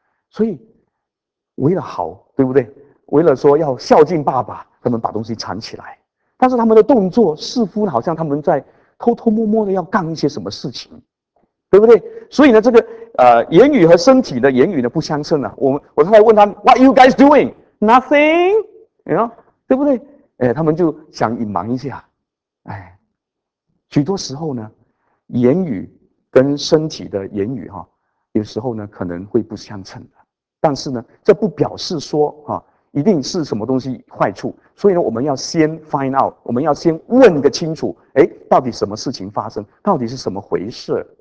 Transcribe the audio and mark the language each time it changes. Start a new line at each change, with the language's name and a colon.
Chinese: 所以为了好，对不对？为了说要孝敬爸爸，他们把东西藏起来，但是他们的动作似乎好像他们在偷偷摸摸的要干一些什么事情，对不对？所以呢，这个。言语和身体的言语呢不相称啊。我太太问他
English: ，What are you guys doing? Nothing，
Chinese: 你
English: you know，
Chinese: 对不对？他们就想隐瞒一下。哎，许多时候呢，言语跟身体的言语哈、啊，有时候呢可能会不相称的。但是呢，这不表示说哈、啊、一定是什么东西坏处。所以呢，我们要先
English: find out，
Chinese: 我们要先问个清楚，哎，到底什么事情发生，到底是什么回事？